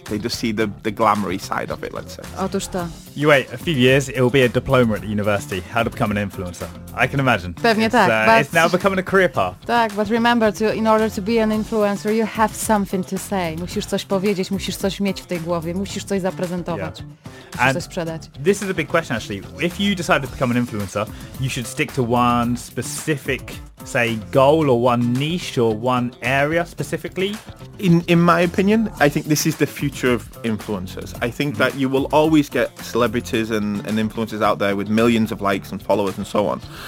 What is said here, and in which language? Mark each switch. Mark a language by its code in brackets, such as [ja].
[en] They just see the glamoury side of it, let's say. [pl] Otóż to. [en] You wait a few years, it will be a diploma at the university, how to become an influencer. I can imagine. [pl] Pewnie tak. [en] It's now becoming a career path. Tak, but remember, in order to be an influencer, you have something to say. [pl] Musisz coś powiedzieć, musisz coś mieć w tej głowie, musisz coś zaprezentować. Yeah. Musisz coś sprzedać. [en] This is a big question, actually. If you decide to become an influencer, you should stick to one specific, say, goal or one niche or one area specifically? In my opinion, I think this is the future of influencers. I think that you will always get celebrities and influencers out there with millions of likes and followers and so on.